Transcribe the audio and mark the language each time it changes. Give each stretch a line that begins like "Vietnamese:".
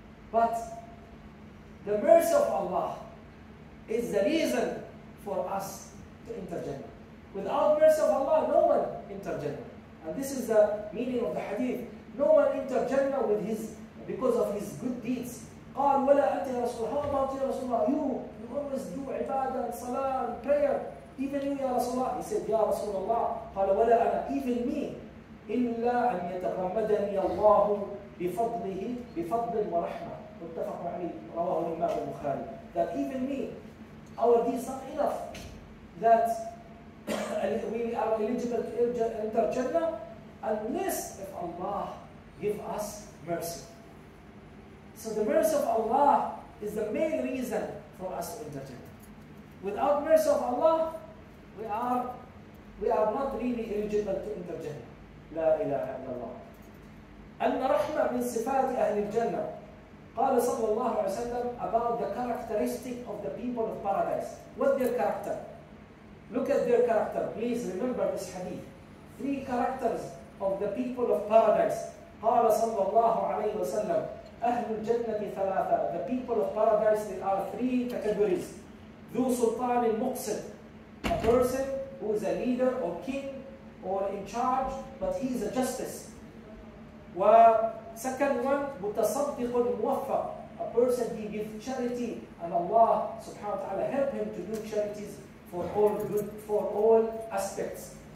English: But the mercy of Allah is the reason for us to enter Jannah. Without mercy of Allah, no one enter Jannah. And this is the meaning of the hadith. No one entered Jannah with his because of his good deeds.
Arabic: قال ولا أنت يا رسول الله.
English: How about
Arabic: يا رسول الله?
English: You always do عبادة and salah and prayer. Even you
Arabic: يا رسول الله.
English: He said
Arabic: يا رسول الله. قال ولا أنا.
English: Even me.
Arabic: إلا أن يتغمدني الله بفضله بفضل ورحمة. متفق عليه. رواه الإمام البخاري.
English: That even me, our deeds not enough. That we are eligible to enter Jannah unless if Allah give us mercy. So the mercy of Allah is the main reason for us to enter Jannah. Without mercy of Allah, we are not really eligible to enter Jannah.
Arabic: لا إله إلا الله. أن رحمة من صفات أهل الجنة. قال صلى الله عليه وسلم
English: about the characteristic of the people of paradise. What their character? Look at their character. Please remember this hadith. Three characters of the people of paradise.
Arabic: قال صلى الله عليه وسلم أهل الجنة ثلاثة.
English: The people of paradise, there are three categories.
Arabic: ذو سلطان المقصد.
English: A person who is a leader or king or in charge, but he is a justice. Second one,
Arabic: متصدق موفق.
English: A person, he gives charity and Allah subhanahu wa ta'ala help him to do charities for all good, for all aspects.